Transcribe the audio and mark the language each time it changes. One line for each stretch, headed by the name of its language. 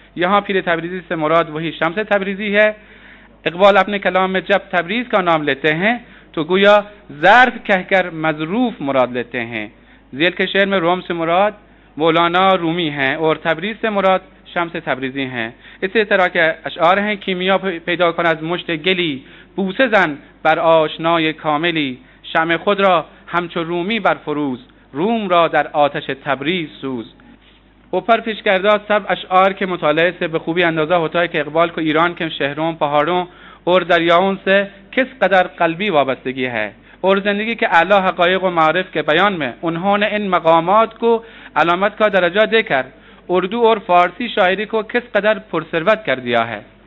Urdu: یہاں پیر تبریزی سے مراد وہی شمس تبریزی ہے. اقبال اپنے کلام میں جب تبریز کا نام لیتے ہیں تو گویا ظرف کہہ کر مظروف مراد لیتے ہیں. ذیل کے شعر میں روم سے مراد مولانا رومی ہیں اور تبریز سے مراد شمس تبریزی ہیں. اسی طرح کے اشعار ہیں،
Persian: کیمیا پیدا کن از مشت گلی، بوسه زن بر آشنای کاملی، شمع خود را همچو رومی بر فروز، روم را در آتش تبریز سوز.
Urdu: اوپر پیش کرده سب اشعار که مطالعه سے به خوبی اندازه ہوتا ہے کہ اقبال کو ایران کے شہروں، پہاڑوں اور دریاؤں سے کس قدر قلبی وابستگی ہے اور زندگی کے اعلی حقائق و معارف کے بیان میں انہوں نے ان مقامات کو علامت کا درجہ دے کر اردو اور فارسی شاعری کو کس قدر پرثروت کر دیا ہے.